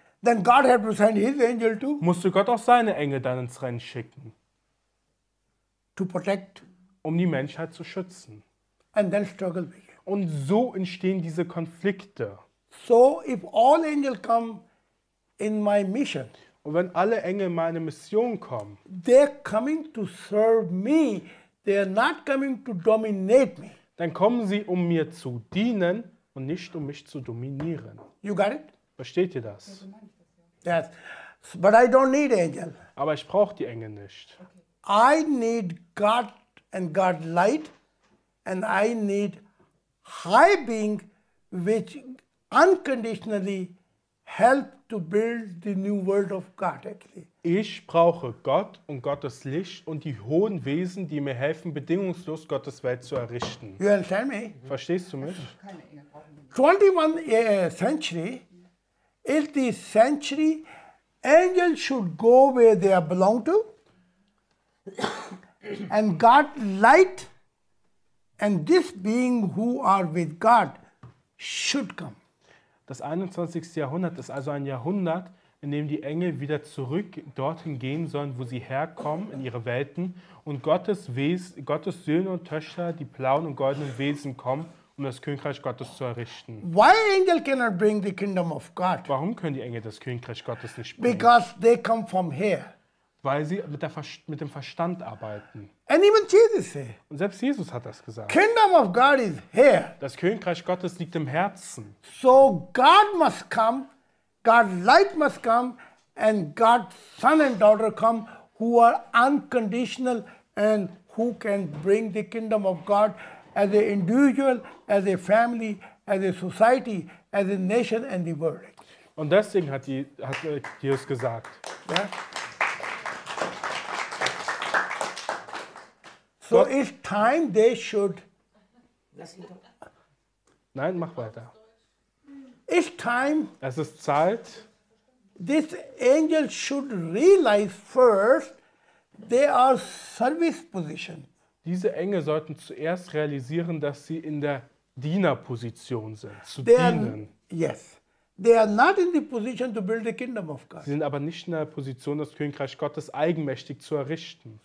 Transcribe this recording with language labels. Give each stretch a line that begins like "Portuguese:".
English: Then God had to send his angel too.
German: Musste Gott auch seine Engel dann ins Rennen schicken.
English: To protect.
German: Um die Menschheit zu schützen.
English: And then struggle with.
German: Und so entstehen diese Konflikte.
English: So if all angels come in my mission.
German: Und wenn alle Engel in meine Mission kommen.
English: They're coming to serve me. They're not coming to dominate me.
German: Dann kommen sie, um mir zu dienen und nicht um mich zu dominieren.
English: You got it?
German: Versteht ihr das?
English: Yes. But I don't need angel.
German: Aber ich brauche die Engel nicht.
English: Okay. I need God and God light and I need high being which unconditionally help to build the new world of God actually.
German: Ich brauche Gott und Gottes Licht und die hohen Wesen, die mir helfen, bedingungslos Gottes Welt zu errichten.
English: You understand me?
German: Verstehst du mich?
English: 21st century is the century angels should go where they belong to and God light and this being who are with God should come.
German: Das 21. Jahrhundert ist also ein Jahrhundert, in dem die Engel wieder zurück dorthin gehen sollen, wo sie herkommen, in ihre Welten, und Gottes Söhne und Töchter, die blauen und goldenen Wesen, kommen, um das Königreich Gottes zu errichten.
English: Why angel cannot bring the kingdom of God?
German: Warum können die Engel das Königreich Gottes nicht bringen?
English: Because they come from here.
German: Weil sie mit dem Verstand arbeiten.
English: And even Jesus said,
German: und selbst Jesus hat das gesagt.
English: Kingdom of God is here.
German: Das Königreich Gottes liegt im Herzen.
English: So God must come, God light must come, and God's son and daughter come, who are unconditional and who can bring the kingdom of God as an individual, as a family, as a society, as a nation and the world.
German: Und deswegen hat Jesus gesagt.
English: Yeah? So it's time they should.
German: Nein, mach weiter.
English: It's time.
German: Es ist Zeit.
English: This angel should realize first they are service position.
German: Diese Engel sollten zuerst realisieren, dass sie in der Dienerposition sind, zu dienen.
English: Yes. They are not in the position to build the kingdom of God.
German: Sie sind aber nicht in der Position, das Königreich Gottes eigenmächtig zu errichten.